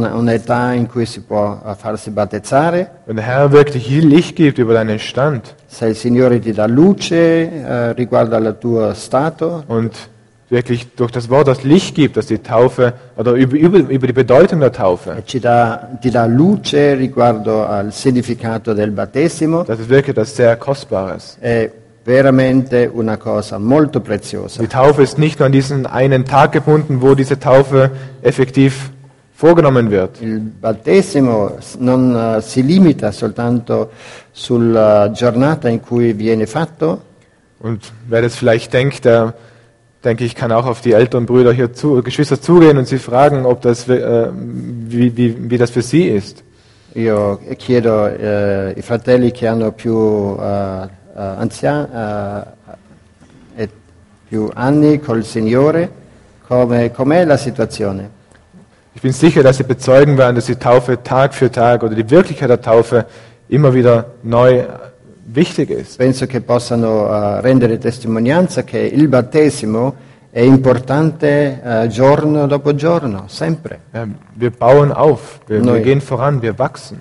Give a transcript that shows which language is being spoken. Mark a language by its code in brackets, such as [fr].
[de] Wenn der Herr wirklich Licht gibt über deinen Stand. [it] Se il Signore ti dà luce riguardo al tuo stato. [de] Und wirklich durch das Wort das Licht gibt, dass die Taufe oder über die Bedeutung der Taufe. [it] E ti dà luce riguardo al significato del battesimo. [de] Das ist wirklich das sehr Kostbares. [it] Veramente una cosa molto preziosa. [de] Die Taufe ist nicht nur an diesen einen Tag gebunden, wo diese Taufe effektiv vorgenommen wird. [it] Il battesimo non si limita soltanto sulla giornata in cui viene fatto. [de] Und wer das vielleicht denkt, der denke ich, kann auch auf die älteren Brüder hier zu Geschwister zugehen und sie fragen, ob das wie das für sie ist. [it] Io chiedo i fratelli che hanno più e più anni col Signore, com'è la situazione? [de] Ich bin sicher, dass sie bezeugen werden, dass die Taufe Tag für Tag oder die Wirklichkeit der Taufe immer wieder neu wichtig ist. [it] Penso che possano rendere testimonianza che il battesimo è importante giorno dopo giorno, sempre. [de] Wir bauen auf, wir gehen voran, wir wachsen.